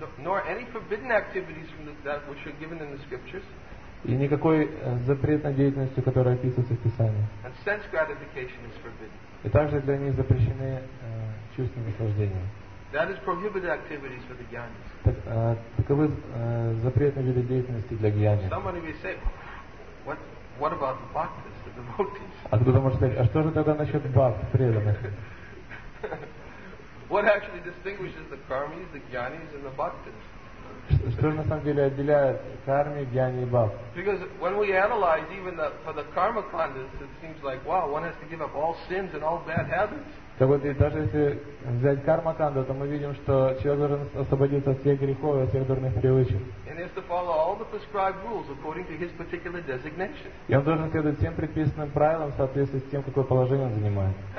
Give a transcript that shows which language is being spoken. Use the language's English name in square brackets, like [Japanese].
[English] Nor any forbidden activities from that which are given in the scriptures. [Russian] И никакой запретной деятельности, которая описывается в Писании. [English] And sense gratification is forbidden. [Russian] И также для них запрещены чувства наслаждения. [English] That is prohibited activities for the gyanis. [Russian] Таковы запретные виды деятельности для гьяни. [English] Somebody may say, what about the bhaktas, the devotees? [Russian] Откуда можно сказать, а что же тогда насчет бхакт, преданных? [English] What actually distinguishes the karmis, the gyanis, and the bhaktas? [Russian] Что же на самом деле отделяет карми, гьяни и бхакт? [English] Because when we analyze even for the karma khandas, it seems like, wow, one has to give up all sins and all bad habits. [Russian] Так вот, и даже если взять карма-канду, то мы видим, что человек должен освободиться от всех грехов и от всех дурных привычек. И он должен следовать всем предписанным правилам в соответствии с тем, какое положение он занимает.